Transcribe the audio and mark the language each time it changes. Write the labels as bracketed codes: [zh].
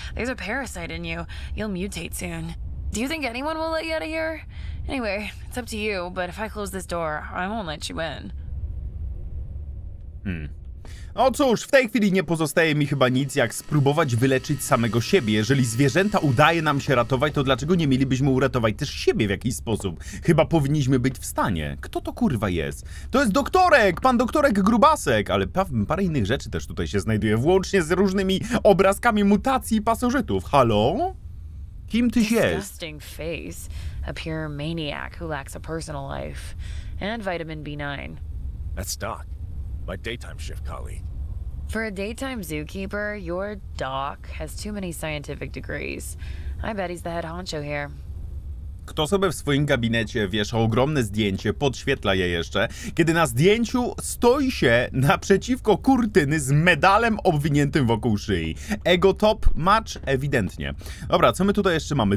[en] There's a parasite in you. You'll mutate soon. Do you think anyone will let you out of here? Anyway, it's up to you, but if I close this door, I won't let you in. [pl] No cóż, w tej chwili nie pozostaje mi chyba nic, jak spróbować wyleczyć samego siebie. Jeżeli zwierzęta udaje nam się ratować, to dlaczego nie mielibyśmy uratować też siebie w jakiś sposób? Chyba powinniśmy być w stanie. Kto to kurwa jest? To jest doktorek, pan doktorek Grubasek, ale parę innych rzeczy też tutaj się znajduje, włącznie z różnymi obrazkami mutacji i pasożytów. Halo? Kim tyś jest? [en] Face. A pure maniac who lacks a personal life. And vitamin B9. That's Doc. My daytime shift colleague. For a daytime zookeeper, your doc has too many scientific degrees. I bet he's the head honcho here. [pl] Kto sobie w swoim gabinecie wiesza ogromne zdjęcie, podświetla je jeszcze, kiedy na zdjęciu stoi się naprzeciwko kurtyny z medalem obwiniętym wokół szyi. Ego top match ewidentnie. Dobra, co my tutaj jeszcze mamy?